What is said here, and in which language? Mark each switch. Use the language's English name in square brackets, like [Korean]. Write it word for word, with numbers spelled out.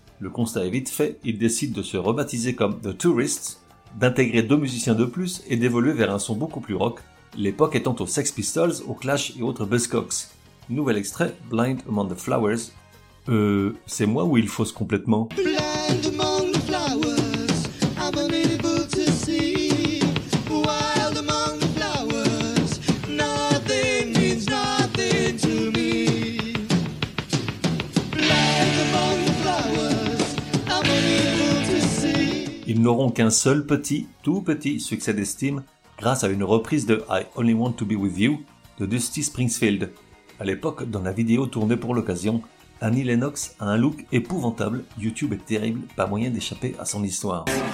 [French] Le constat est vite fait, ils décident de se rebaptiser comme The Tourists, d'intégrer deux musiciens de plus et d'évoluer vers un son beaucoup plus rock, l'époque étant aux Sex Pistols, aux Clash et autres Buzzcocks. Nouvel extrait, Blind Among the Flowers. Euh, c'est moi où ils faussent complètement. [English] Blind among the flowers, I'm unable to see. Wild among the flowers, nothing means nothing to me. Blind among the flowers, I'm unable to see. [French] Ils n'auront qu'un seul petit, tout petit succès d'estime grâce à une reprise de I Only Want to Be With You de Dusty Springfield. À l'époque, dans la vidéo tournée pour l'occasion, Annie Lennox a un look épouvantable, YouTube est terrible, pas moyen d'échapper à son histoire.